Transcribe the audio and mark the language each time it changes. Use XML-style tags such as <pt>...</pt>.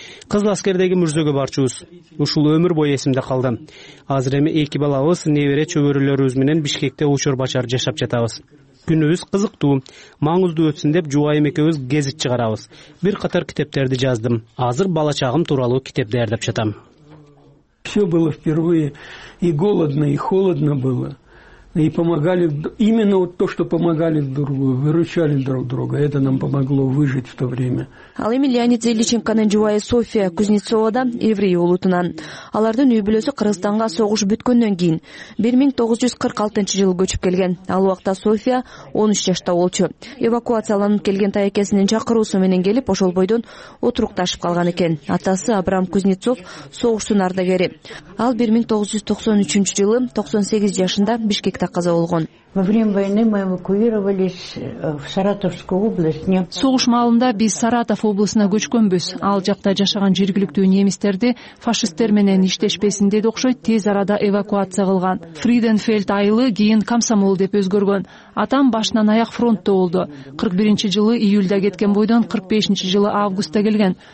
<ky>Кызыл аскердеги мүрзөгө барчубуз. Ушул өмүр бою эсимде калды. Азыр эми 2 балабыз, небере чөбөрөлөрүбүз менен Бишкекте учур бачар жашап жатабыз. Күнүбүз кызыктуу, маңыздуу өтсүн деп жубайым экөөбүз гезит чыгарабыз. Бир катар китептерди жаздым. Азыр бала чагым тууралуу китеп даярдап жатам.</ky> <ru>Все было впервые, и голодно, и холодно было. И помогали, именно вот то, что помогали друг другу, выручали друг друга. Это нам помогло выжить в то время.</ru> <ky>Ал эми Леонид Зеличенконун жубайы София Кузнецовада еврей улутунан. Алардын үй бүлөсү Кыргызстанга согуш бүткөндөн кийин 1946 жылы көчүп келген. Ал убакта София 13 жашта болчу. Эвакуацияланып келген таякесинин чакыруусу менен келип, ошол бойдон отурукташып калган экен. Атасы Абрам Кузнецов согуштун ардагери. Ал 1993 жылы 98 жашында Бишкекте каза болгон.</ky> <ru>Во время войны мы эвакуировались в Саратовскую область.</ru> <ky>Согуш маалында биз Саратов облысына көчкөнбүз. Ал жакта жашаган жергиликтүү немистерди фашисттер менен иштешпесин деп окшойт, тез арада эвакуация кылган. Фриденфельд айылы кийин Комсомол деп өзгөргөн. Атам башынан аяк фронтто болду. 41-жылы июлда кеткен бойдон 45-жылы августта келген.</ky>